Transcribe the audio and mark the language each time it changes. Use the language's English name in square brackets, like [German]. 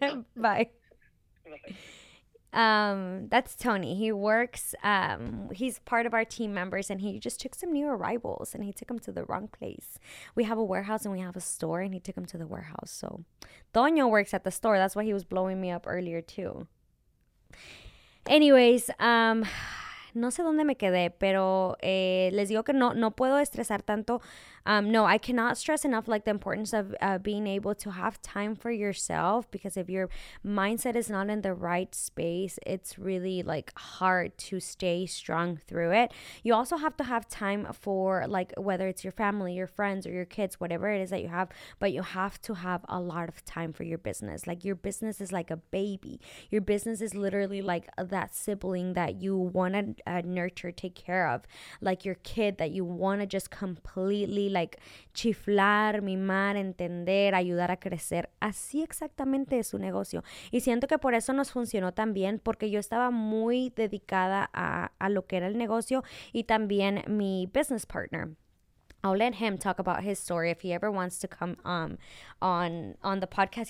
[English] care. Bye. That's Tony. He works, he's part of our team members, and he just took some new arrivals and he took them to the wrong place. We have a warehouse and we have a store, and he took them to the warehouse. So Toño works at the store. That's why he was blowing me up earlier too. [Spanish] Anyways, no sé dónde me quedé, pero les digo que no puedo estresar tanto. [English] No, I cannot stress enough like the importance of being able to have time for yourself, because if your mindset is not in the right space, it's really like hard to stay strong through it. You also have to have time for like whether it's your family, your friends, or your kids, whatever it is that you have, but you have to have a lot of time for your business. Like, your business is like a baby. Your business is literally like that sibling that you want to nurture, take care of, like your kid that you want to just completely like [Spanish] chiflar, mimar, entender, ayudar a crecer. Así exactamente es su negocio. Y siento que por eso nos funcionó tan bien, porque yo estaba muy dedicada a lo que era el negocio, y también mi [English] business partner. I'll let him talk about his story if he ever wants to come on the podcast.